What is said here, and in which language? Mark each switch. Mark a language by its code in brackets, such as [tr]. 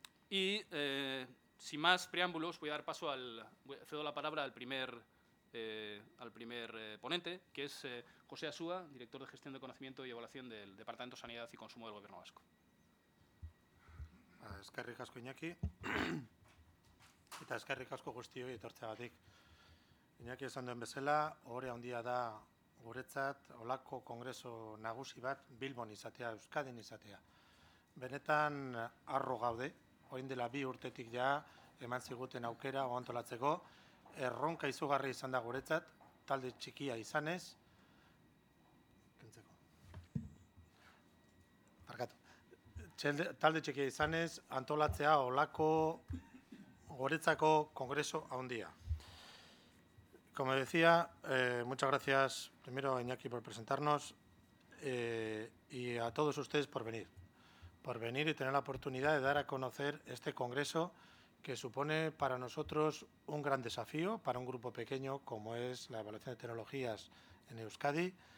[es] Y, sin más preámbulos, voy a dar paso cedo la palabra al primer ponente, que es José Asúa, director de Gestión de Conocimiento y Evaluación del Departamento de Sanidad y Consumo del Gobierno Vasco. [eu] Eskerrik asko, Iñaki. Eta eskerrik asko guztioi etortzeagatik. Iñaki esan duen bezala, ohore handia da guretzat holako kongreso nagusi bat Bilbon izatea, Euskadin izatea. Benetan harro gaude, orain dela bi urtetik ja eman ziguten aukera antolatzeko, erronka izugarri izan da guretzat, talde txikia izanez. Talde txikia izanez, antolatzea holako Goretzako Kongreso Haundia. [es] Como decía, muchas gracias primero a Iñaki por presentarnos y a todos ustedes por venir y tener la oportunidad de dar a conocer este Congreso que supone para nosotros un gran desafío para un grupo pequeño como es la evaluación de tecnologías en Euskadi,